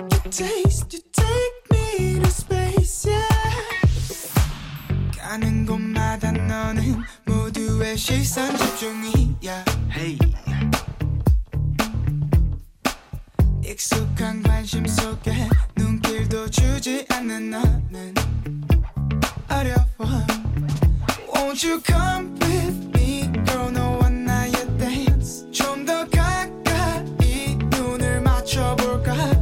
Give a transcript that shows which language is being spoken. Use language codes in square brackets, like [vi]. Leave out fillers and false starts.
[en] Taste, you take me to space, yeah. [ko] 가는 곳마다 너는 모두의 시선 집중이야. Hey. 익숙한 관심 속에 눈길도 주지 않는 너는 어려워. [en] Won't you come with me, girl? No one now you dance. [ko] 좀 더 가까이 눈을 맞춰볼까?